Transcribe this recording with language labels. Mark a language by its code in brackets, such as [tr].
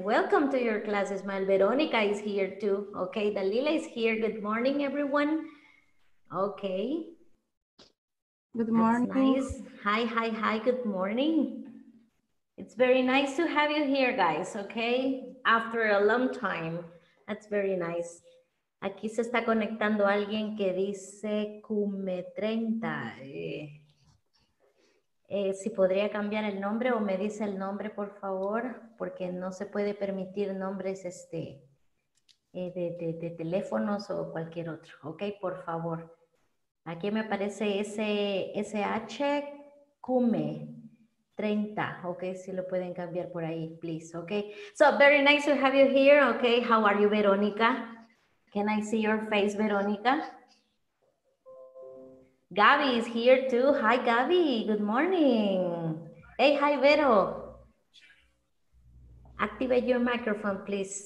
[en] Welcome to your class, Ismael. Veronica is here too. Okay, Dalila is here. Good morning, everyone. Okay. Good morning. That's nice. Hi, hi, hi. Good morning. It's very nice to have you here, guys, okay? After a long time, that's very nice. [es] Aquí se está conectando alguien que dice Cume 30. Si podría cambiar el nombre o me dice el nombre, por favor, porque no se puede permitir nombres de teléfonos o cualquier otro, okay? Por favor. Aquí me aparece SH Cume 30, okay, si lo pueden cambiar por ahí, please, okay. [en] So, very nice to have you here, okay. How are you, Veronica? Can I see your face, Veronica? Gabby is here too. Hi, Gabby, good morning. Hey, hi, Vero. Activate your microphone, please.